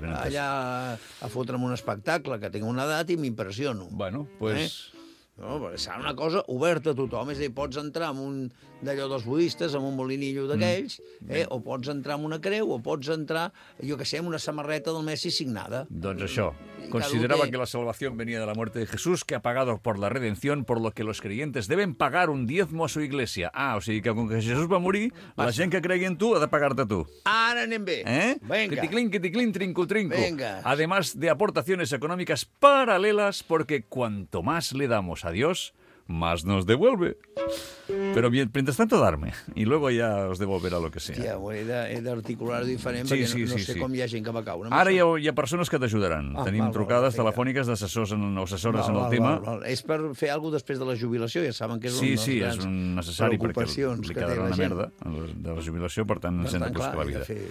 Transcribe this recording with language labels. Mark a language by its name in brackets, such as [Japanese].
[Catalan] Allà a fotre'm un espectacle que tinc una edat i m'impressiono. [Spanish] Bueno, pues... [Catalan] No, serà una cosa oberta a tothom. És a dir, pots entrar amb un d'allò dels budistes, amb un molinillo d'aquells, o pots entrar amb una creu, o pots entrar, jo que sé, amb una samarreta del Messi signada. Doncs això. [Spanish] Considerava que la salvación venía de la muerte de Jesús, que ha pagado por la redención, por lo que los creyentes deben pagar un diezmo a su iglesia. [Catalan] Ah, o sigui que com que Jesús va morir, passa. La gent que cregui en tu ha de pagar-te tu. Ara anem bé. Eh? [Spanish] Venga. Criticlin, criticlin, trinco, trinco. Venga. Además de aportaciones económicas paralelas, porque cuanto más le damos a Dios, más nos devuelve. Pero mientras tanto, darme. Y luego ya os devolverá lo que sea. [Catalan] Tia, bueno, he d'articular diferent, sí, perquè sí, no, sí, no sé, sí, com hi ha gent que m'acau. No. Ara hi ha persones que t'ajudaran. Ah, tenim trucades telefòniques d'assessors o assessores en el tema. És per fer alguna després de la jubilació, ja saben que és, sí, un dels, sí, grans, és un necessari, preocupacions que té la gent. Merda de la jubilació, per tant, ens hem de buscar la vida.